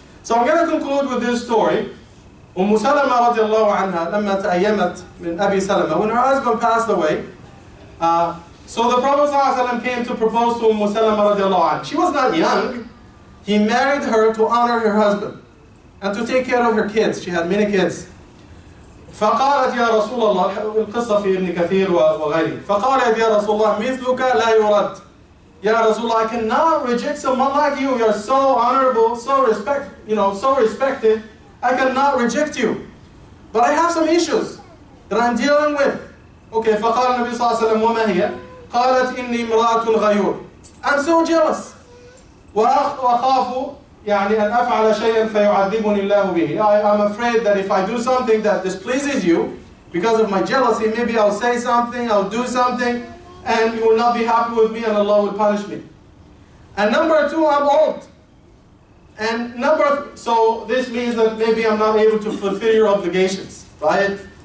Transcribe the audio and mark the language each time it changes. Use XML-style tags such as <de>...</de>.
<en>So I'm going to conclude with this story. Umm Salama radiallahu anha,</en> <ar>lamma ta'ayyamat min Abi Salama,</ar> <en>when her husband passed away, so the Prophet sallallahu alayhi wa sallam came to propose to Umm Salama radiallahu anha. She was not young. He married her to honor her husband and to take care of her kids. She had many kids.</en> <ar>فقالت يا رسول الله القصة في ابن كثير وغيره فقالت يا رسول الله مثلك لا يرد يا رسول الله</ar> <en>I cannot reject someone like you. You're so honorable, so respect, you know, so respected. I cannot reject you. But I have some issues that I'm dealing with.</en> <ar>Okay, فقال النبي صلى الله عليه وسلم وما هي قالت إني امرأة غيور.</ar> <en>I'm so jealous.</en> <ar>وأخاف يعني أن أفعل شيئا فيعذبني الله به.</ar> <en>I'm afraid that if I do something that displeases you because of my jealousy, maybe I'll say something, I'll do something, and you will not be happy with me and Allah will punish me. And number two, I'm old. And so this means that maybe I'm not able to fulfill your obligations, right?</en>